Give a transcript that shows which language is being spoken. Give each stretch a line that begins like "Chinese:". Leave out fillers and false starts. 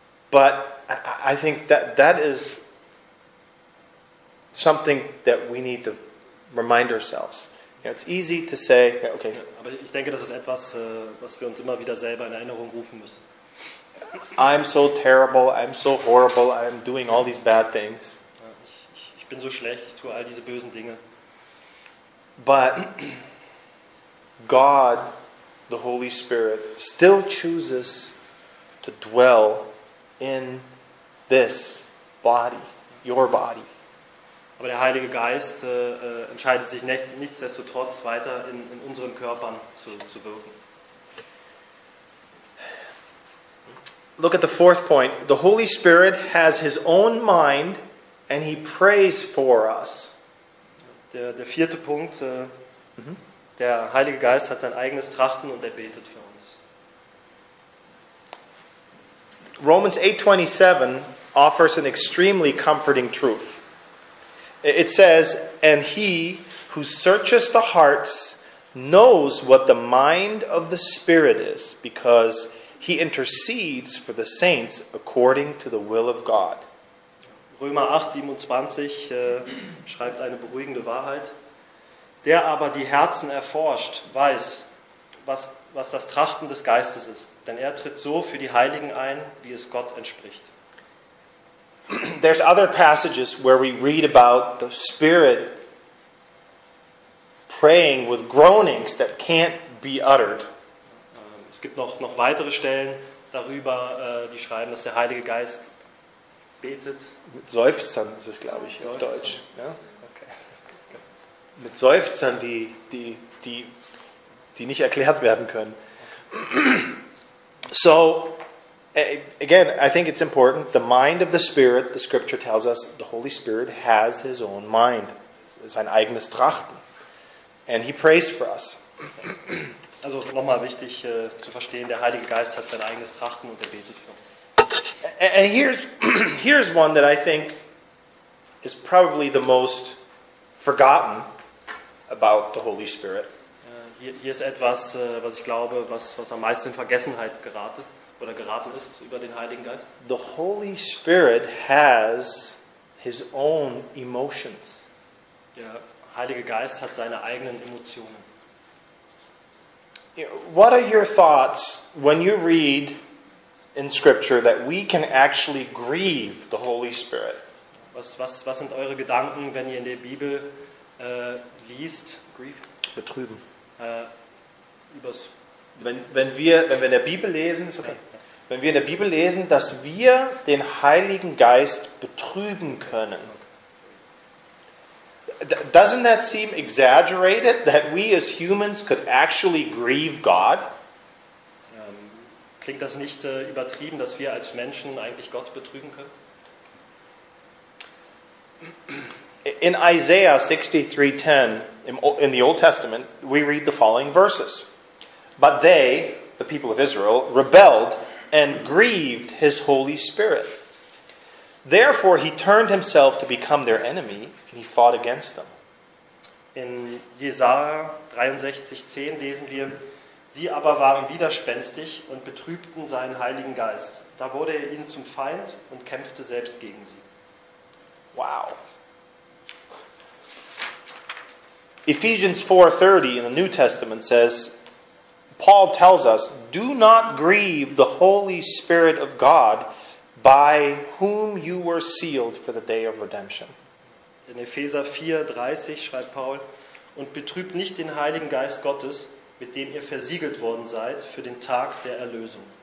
English: But I think that is something that we need to remind ourselves. You know, it's easy to say, yeah, okay.
German: Aber ich denke, das ist etwas, was wir uns immer wieder selber in Erinnerung rufen müssen.
English: I'm so terrible, I'm so horrible, I'm doing all these bad things.
German: Ich bin so schlecht, ich tue all diese bösen Dinge.
English: But God, the Holy Spirit, still chooses to dwell in this body, your body.
German: Aber der Heilige Geist entscheidet sich nichtsdestotrotz weiter in unseren Körpern zu wirken.
English: Look at the fourth point. The Holy Spirit has his own mind and he prays for us.
German: Der vierte Punkt, der Heilige Geist hat sein eigenes Trachten und er betet für uns.
English: Romans 8:27 offers an extremely comforting truth. It says, "And he who searches the hearts knows what the mind of the Spirit is, because he intercedes for the saints according to the will of God."
German: Römer 8:27 schreibt eine beruhigende Wahrheit. Der aber die Herzen erforscht, weiß, was das Trachten des Geistes ist. Denn er tritt so für die Heiligen ein, wie es Gott entspricht.
English: There's other passages where we read about the Spirit praying with groanings that can't be uttered.
German: Es gibt noch weitere Stellen darüber, die schreiben, dass der Heilige Geist betet. Mit Seufzern ist es, glaube ich, auf Deutsch. Ja? Okay. Mit Seufzern, die nicht erklärt werden können.
English: So, again, I think it's important. The mind of the Spirit, the scripture tells us, the Holy Spirit has his own mind.
German: Sein eigenes Trachten.
English: And he prays for us.
German: Also nochmal wichtig zu verstehen, der Heilige Geist hat sein eigenes Trachten und er betet für uns.
English: And here's one that I think is probably the most forgotten about the Holy Spirit.
German: Hier ist etwas, was ich glaube, was am meisten in Vergessenheit geraten ist über den Heiligen Geist.
English: The Holy Spirit has his own emotions.
German: Der Heilige Geist hat seine eigenen Emotionen.
English: What are your thoughts when you read in Scripture that we can actually grieve the Holy Spirit?
German: Was sind eure Gedanken, wenn ihr in der Bibel liest, grieve? Betrüben. Übers. Wenn wir in der Bibel lesen, ist okay. Ja. Wenn wir in der Bibel lesen, dass wir den Heiligen Geist betrüben können,
English: doesn't that seem exaggerated that we as humans could actually grieve God?
German: Klingt das nicht übertrieben, dass wir als Menschen eigentlich Gott betrügen können?
English: In Isaiah 63:10, in the Old Testament, we read the following verses. But they, the people of Israel, rebelled and grieved his Holy Spirit. Therefore he turned himself to become their enemy and he fought against them.
German: In Jesaja 63:10 lesen wir: Sie aber waren widerspenstig und betrübten seinen Heiligen Geist. Da wurde er ihnen zum Feind und kämpfte selbst gegen sie.
English: Wow. Ephesians 4:30 in the New Testament says, Paul tells us, do not grieve the Holy Spirit of God, by whom you were sealed for the day of redemption.
German: In Epheser 4:30 schreibt Paul, und betrübt nicht den Heiligen Geist Gottes, mit dem ihr versiegelt worden seid für den Tag der Erlösung.